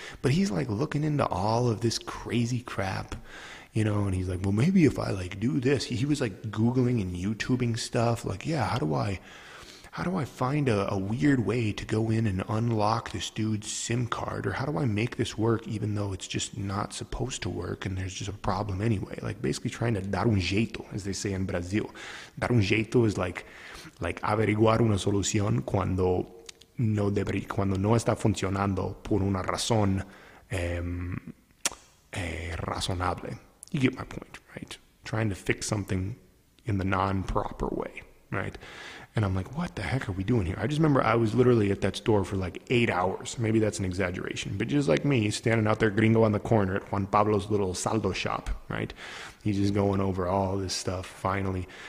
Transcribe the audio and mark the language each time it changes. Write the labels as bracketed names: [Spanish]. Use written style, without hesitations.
[English] But he's like looking into all of this crazy crap, you know, and he's like, well, maybe if I like do this, he was like Googling and YouTubing stuff. Like, yeah, how do I find a weird way to go in and unlock this dude's SIM card? Or how do I make this work even though it's just not supposed to work and there's just a problem anyway? Like basically trying to [Portuguese] dar un jeito, [English] as they say in Brazil. [Portuguese] Dar un jeito [English] is like [Spanish] averiguar una solución cuando no está funcionando por una razón razonable. [English] You get my point, right? Trying to fix something in the non-proper way, right? And I'm like, what the heck are we doing here? I just remember I was literally at that store for like 8 hours. Maybe that's an exaggeration. But just like me, standing out there gringo on the corner at Juan Pablo's little saldo shop, right? He's just going over all this stuff, finally.